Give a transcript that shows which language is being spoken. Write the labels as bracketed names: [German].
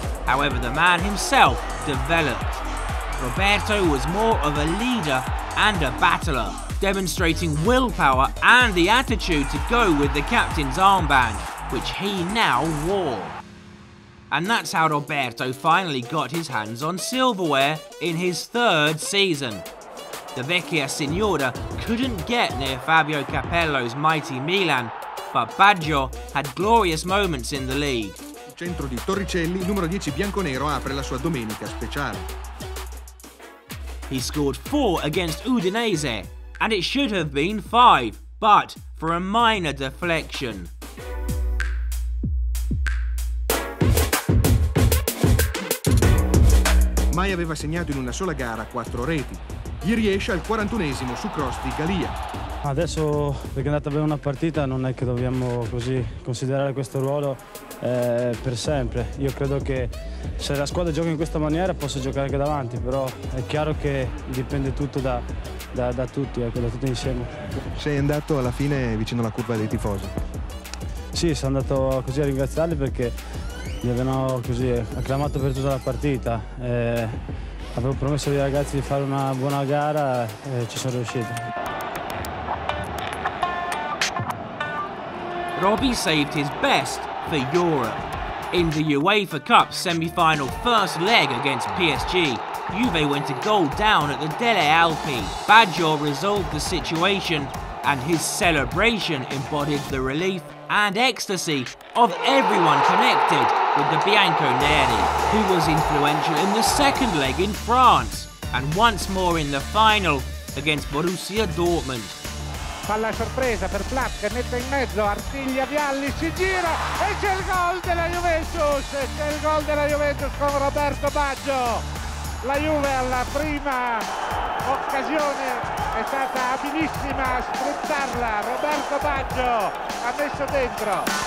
[English] However, the man himself developed. Roberto was more of a leader and a battler, demonstrating willpower and the attitude to go with the captain's armband, which he now wore. And that's how Roberto finally got his hands on silverware in his third season. The Vecchia Signora couldn't get near Fabio Capello's mighty Milan, but Baggio had glorious moments in the league. [Italian] Centro di Torricelli, numero 10 bianconero, apre la sua domenica speciale. [English] He scored 4 against Udinese, and it should have been 5, but for a minor deflection. [Italian] Mai aveva segnato in una sola gara 4 reti. Gli riesce al 41esimo su cross di Galia. Adesso, perché è andata bene una partita, non è che dobbiamo così considerare questo ruolo per sempre. Io credo che se la squadra gioca in questa maniera posso giocare anche davanti, però è chiaro che dipende tutto da tutti, ecco, da tutti insieme. Sei andato alla fine vicino alla curva dei tifosi? Sì, sono andato così a ringraziarli perché mi avevano così acclamato per tutta la partita. Avevo promesso ai ragazzi di fare una buona gara e ci sono riuscito. [English] Robby saved his best for Europe. In the UEFA Cup semi-final first leg against PSG, Juve went a goal down at the Dele Alpi. Baggio resolved the situation, and his celebration embodied the relief and ecstasy of everyone connected with the Bianconeri, who was influential in the second leg in France, and once more in the final against Borussia Dortmund. [Italian] Palla sorpresa per Platt, che mette in mezzo, Artiglia, Vialli, si gira e c'è il gol della Juventus! E c'è il gol della Juventus con Roberto Baggio! La Juve alla prima occasione è stata abilissima a sfruttarla, Roberto Baggio ha messo dentro!